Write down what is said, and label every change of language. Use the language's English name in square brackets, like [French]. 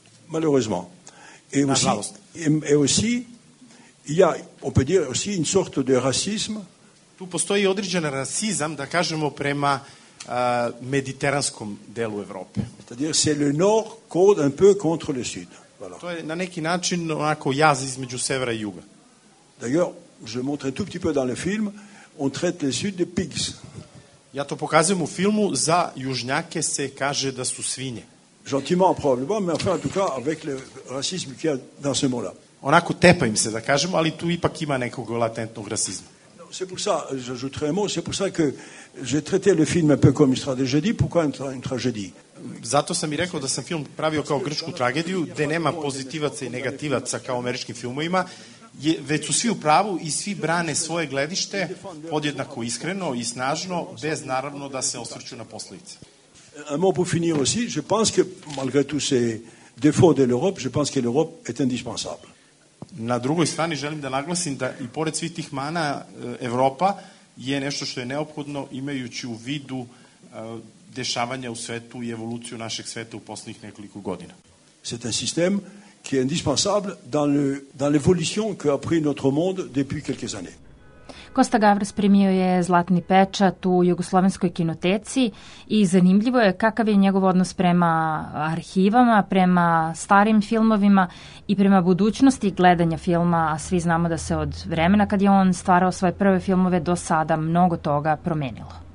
[French] Malheureusement. [Serbian] Nažalost. [French] Et aussi, [Serbian] ja, opet [French] dire, aussi une sorte de racisme. [Serbian] Tu postoji određen rasizam, da kažemo, prema mediteranskom delu Evrope. [French] C'est-à-dire, c'est le nord code un peu contre le sud. Voilà. [Serbian] To je na neki način onako jaz između severa i juga. [French] D'ailleurs, je montre un tout petit peu dans le film, on traite le sud de [English] pigs. [Serbian] Ja to pokazujem u filmu, za južnjake se kaže da su svinje. [French] Gentiment probablement, mais enfin en tout cas avec le racisme qu'il y a dans ce mot-là. [Serbian] Onako tepa im se, da kažemo, ali tu ipak ima nekog latentnog rasizma. [French] C'est pour ça, j'ajouterai un mot, c'est pour ça que j'ai traité le film un peu comme une tragédie, pourquoi une tragédie? [Serbian] Zato sam i rekao da sam film pravio kao grčku tragediju, gde nema pozitivaca i negativaca kao američkim filmovima, već su svi u pravu i svi brane svoje gledište podjednako iskreno i snažno, bez naravno da se osvrću na posledice. [French] Un mot pour finir aussi, je pense que malgré tous ces défauts de l'Europe, je pense que l'Europe est indispensable. [Serbian] Na drugoj strani želim da naglasim da i pored svih tih mana, Evropa je nešto što je neophodno, imajući u vidu dešavanja u svetu i evoluciju našeg sveta u poslednjih nekoliko godina. [French] C'est un système qui est indispensable dans l'évolution que a pris notre monde depuis quelques années. [Serbian] Kosta Gavras primio je zlatni pečat u Jugoslovenskoj kinoteci i zanimljivo je kakav je njegov odnos prema arhivama, prema starim filmovima i prema budućnosti gledanja filma, a svi znamo da se od vremena kad je on stvarao svoje prve filmove do sada mnogo toga promenilo.